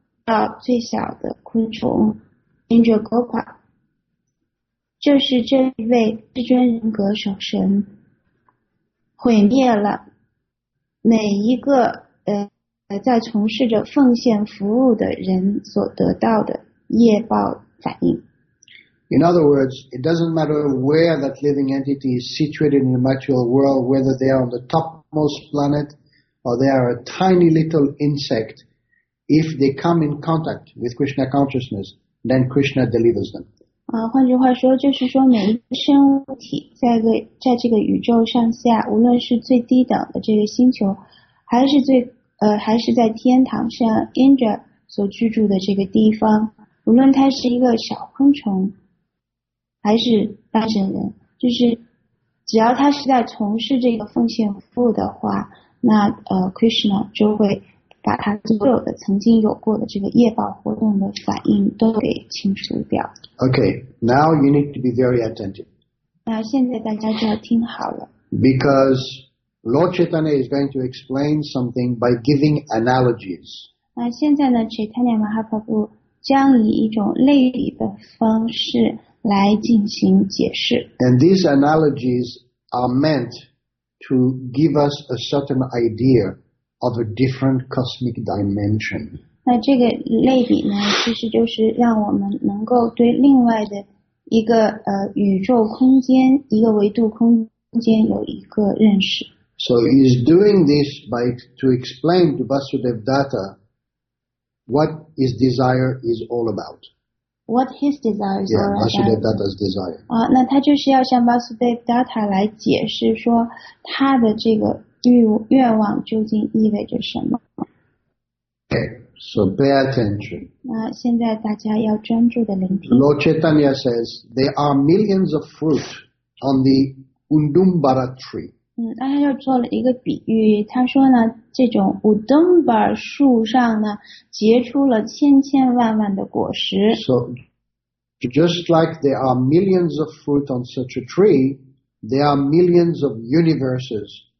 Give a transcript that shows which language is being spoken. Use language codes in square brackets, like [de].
[zh] 到最小的昆虫 Indragopa 就是这一位至尊人格守神毁灭了每一个在从事着奉献服务的人所得到的业报反应。 [en] In other words, it doesn't matter where that living entity is situated in the material world, whether they are on the topmost planet or they are a tiny little insectIf they come in contact with Krishna consciousness, then Krishna delivers them. [zh] 换句话说，就是说每一个生物体在这个宇宙上下，无论是最低等的这个星球，还是在天堂上 Indra 所居住的这个地方，无论它是一个小昆虫，还是大神人，就是只要它是在从事这个奉献服务的话，那Krishna 就会。把他所有的曾经有过的这个业报活动的反应都给清除掉。 [en] Okay, now you need to be very attentive. [zh] 那现在大家就要听好了。 [en] Because Lord Chaitanya is going to explain something by giving analogies. [zh] 那现在呢 ，Chaitanya Mahaprabhu 将以一种类比的方式来进行解释。 [en] And these analogies are meant to give us a certain idea. Of a different cosmic dimension. [zh] 那这个类比呢，其实就是让我们能够对另外的一个宇宙空间，一个维度空间有一个认识。 [en] So he's doing this by to explain to Vasudev Datta what his desire is all about. What his desire is all about. Yeah, Vasudev Datta's desire. [zh] 那他就是要向 Vasudev Datta 来解释说他的这个。愿望究竟意味着什么 [en] Okay, so pay attention. [zh] 那现在大家要专注的聆听。 [en] Lord Chaitanya says, there are millions of fruit on the Udumbara tree. [zh] 那他就做了一个比喻，他说呢，这种 Udumbara 树上呢，结出了千千万万的果实。 [en] So, just like there are millions of fruit on such a tree, there are millions of universes.